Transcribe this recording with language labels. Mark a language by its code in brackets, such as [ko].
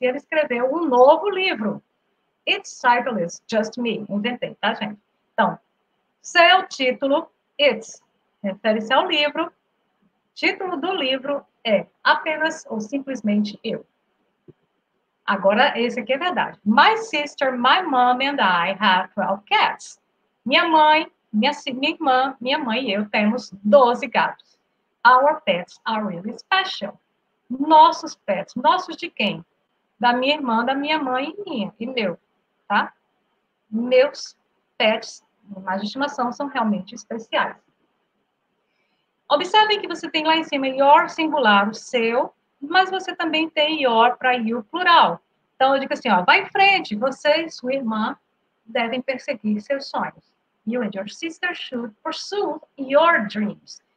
[pt] E ele escreveu um novo livro. [en] Its title is just me. [pt] Inventei, tá, gente? Então, seu título, it's. Refere-se ao livro. Título do livro é apenas ou simplesmente eu. Agora, esse aqui é verdade. [en] My sister, my mom and I have 12 cats. [pt] Minha mãe, minha irmã, minha mãe e eu temos 12 gatos. [en] Our pets are really special. [pt] Nossos pets. Nossos de quem? Da minha irmã, da minha mãe e minha. E meu, tá? Meus pets, mais de estimação, são realmente especiais. Observem que você tem lá em cima your singular, o seu, mas você também tem your para you plural. Então, eu digo assim, ó, vai em frente, você e sua irmã devem perseguir seus sonhos. [en] You and your sister should pursue your dreams.